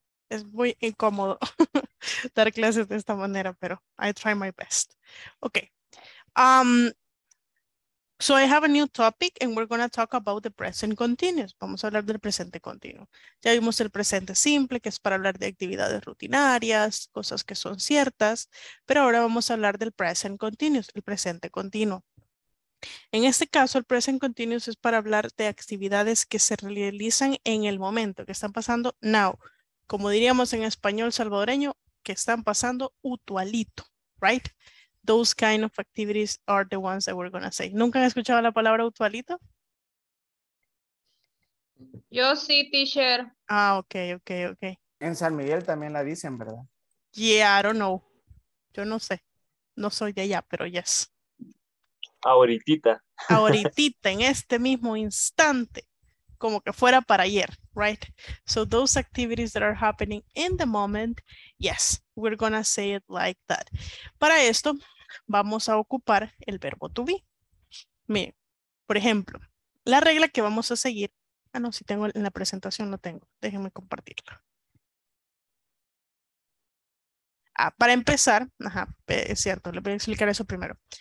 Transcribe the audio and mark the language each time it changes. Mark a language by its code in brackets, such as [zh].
[es] Es muy incómodo dar clases de esta manera, pero [en] I try my best. Okay. So I have a new topic and we're going to talk about the present continuous. [es] Vamos a hablar del presente continuo. Ya vimos el presente simple, que es para hablar de actividades rutinarias, cosas que son ciertas, pero ahora vamos a hablar del present continuous, el presente continuo. En este caso, el present continuous es para hablar de actividades que se realizan en el momento, que están pasando now. Como diríamos en español salvadoreño, que están pasando utualito, right? [en] Those kind of activities are the ones that we're going to say. [es] ¿Nunca han escuchado la palabra utualito? Yo sí, teacher. [en] Ah, okay, okay, okay. [es] En San Miguel también la dicen, ¿verdad? [en] Yeah, I don't know. [es] Yo no sé. No soy de allá, pero yes. Ahoritita. Ahoritita, en este mismo instante. Como que fuera para ayer, right? [en] So those activities that are happening in the moment, yes, we're gonna say it like that. [es] Para esto, vamos a ocupar el verbo to be. Miren, por ejemplo, la regla que vamos a seguir, ah no, si tengo en la presentación, no tengo, déjenme compartirla. Ah, para empezar, ajá, es cierto, le voy a explicar eso primero.